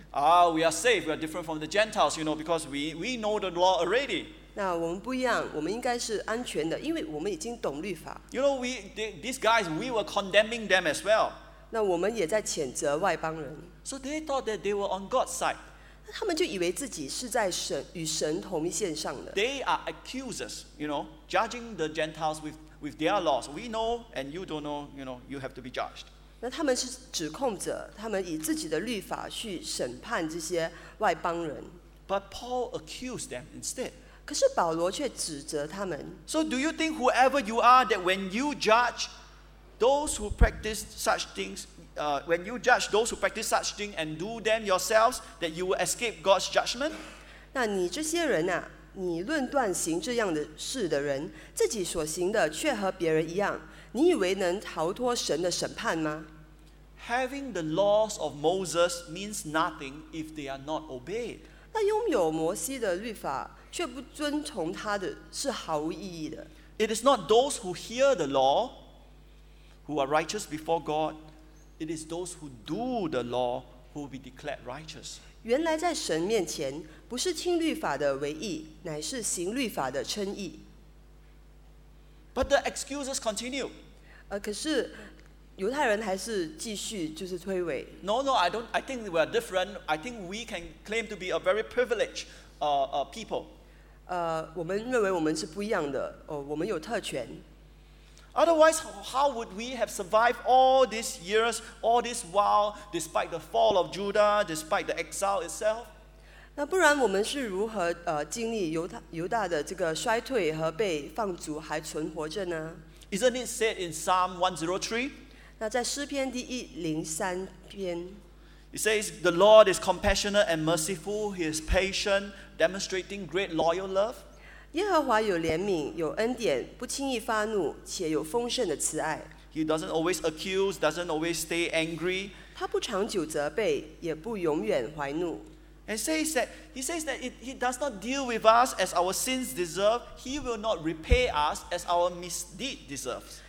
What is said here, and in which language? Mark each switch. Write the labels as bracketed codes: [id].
[en] We are safe. We are different from the Gentiles, you know, because we know the law already. [zh] 那我们不一样，我们应该是安全的，因为我们已经懂律法。 [en] You know, these guys were condemning them as well. [zh] 那我们也在谴责外邦人。 [en] So they thought that they were on God's side. [zh] 那他们就以为自己是在神与神同一线上的。 [en] They are accusers, you know, judging the Gentiles with their laws. We know, and you don't know. You know, you have to be judged. [zh] 那他们是指控者，他们以自己的律法去审判这些外邦人。 [en] But Paul accused them instead. [zh] 可是保罗却指责他们。 [en] So do you think whoever you are that when you judge those who practice such things, when you judge those who practice such things and do them yourselves, that you will escape God's judgment? [zh] 那你这些人啊，你论断行这样的事的人，自己所行的却和别人一样，你以为能逃脱神的审判吗？ [en] Having the laws of Moses means nothing if they are not obeyed. [zh] 那拥有摩西的律法却不遵从他的是毫无意义的。 [en] It is not those who hear the law who are righteous before God. It is those who do the law who will be declared righteous. [zh] 原来在神面前，不是听律法的为义，乃是行律法的称义。 [en] But the excuses continue. [zh] 可是犹太人还是继续就是推诿。 [en] No, I think we are different. I think we can claim to be a very privileged people. [zh] 我们认为我们是不一样的，我们有特权。 [en] Otherwise, how would we have survived all these years, all this while, despite the fall of Judah, despite the exile itself? [zh] 那不然我们是如何经历犹大的这个衰退和被放逐还存活着呢？ [en] Isn't it said in Psalm 103? [zh] 那在诗篇第103篇。 [en] It says, the Lord is compassionate and merciful. He is patient, demonstrating great loyal love. [zh] 耶和华有怜悯，有恩典，不轻易发怒，且有丰盛的慈爱。 [en] He doesn't always accuse, doesn't always stay angry. [zh] 他不长久责备，也不永远怀怒。 [en] And says that, he says that he does not deal with us as our sins deserve. He will not repay us as our misdeed deserves.